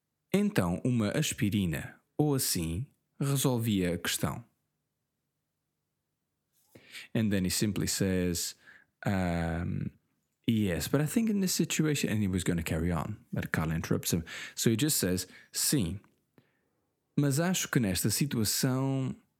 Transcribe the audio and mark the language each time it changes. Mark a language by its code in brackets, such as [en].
[pt] Então, uma aspirina, ou assim, resolvia a questão. [en] And then he simply says, yes, but I think in this situation... And he was going to carry on, but Carla interrupts him. So he just says, [pt] sim, mas acho que nesta situação...